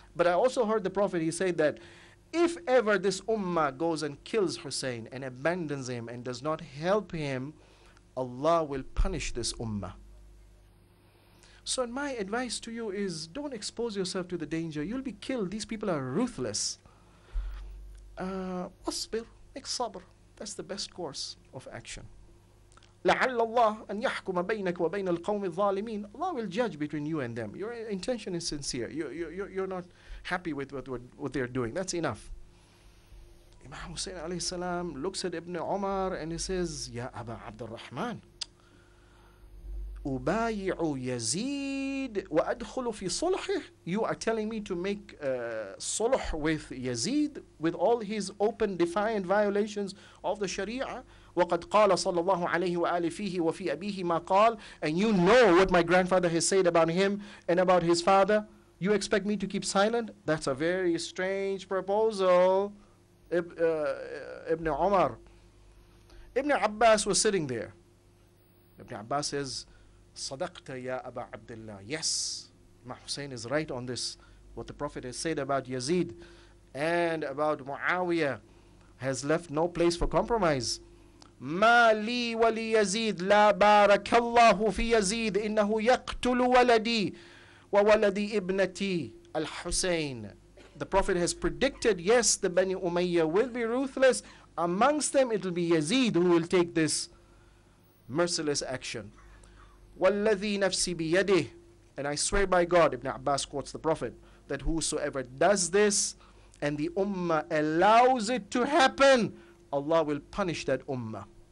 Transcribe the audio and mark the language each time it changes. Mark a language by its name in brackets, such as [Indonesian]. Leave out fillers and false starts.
[English] But I also heard the Prophet, he said that if ever this ummah goes and kills Hussein and abandons him and does not help him, Allah will punish this ummah. So my advice to you is, don't expose yourself to the danger. You'll be killed. These people are ruthless. Asbir, make sabr. That's the best course of action. [Arabic] لَعَلَّ اللَّهُ أَنْ يَحْكُمَ بَيْنَكَ وَبَيْنَ الْقَوْمِ الظَّالِمِينَ [English] Allah will judge between you and them. Your intention is sincere. You're not happy with what they're doing. That's enough. Imam Hussain alayhi salam looks at Ibn Umar and he says, Ya Aba Abdurrahman, [Arabic] أُبَايِعُ يَزِيدُ وَأَدْخُلُ فِي صُلْحِهِ [English] You are telling me to make صُلْح with Yazid, with all his open, defiant violations of the Sharia. [Arabic] وَقَدْ قَالَ صَلَّى اللَّهُ عَلَيْهِ وَآلِهِ فِيهِ وَفِي أَبِيهِ مَا قَالَ [English] And you know what my grandfather has said about him and about his father. You expect me to keep silent? That's a very strange proposal, Ibn Umar. Ibn Abbas was sitting there. Ibn Abbas says, [Arabic] صَدَقْتَ يَا أَبَا عَبْدِ اللَّهِ [English] Yes, Imam Hussein is right on this. What the Prophet has said about Yazid and about Muawiyah has left no place for compromise. [Arabic] مَا لِي وَلِي يَزِيد لَا بَارَكَ اللَّهُ فِي يَزِيد إِنَّهُ يَقْتُلُ وَلَدِي وَوَلَدِي إِبْنَتِي الْحُسَيْن [English] The Prophet has predicted, yes, the Bani Umayyah will be ruthless. Amongst them, it will be Yazid who will take this merciless action. [Arabic] وَالَّذِي نَفْسِ بِيَدِهِ [English] And I swear by God, Ibn Abbas quotes the Prophet, that whosoever does this and the Ummah allows it to happen, Allah will punish that Ummah.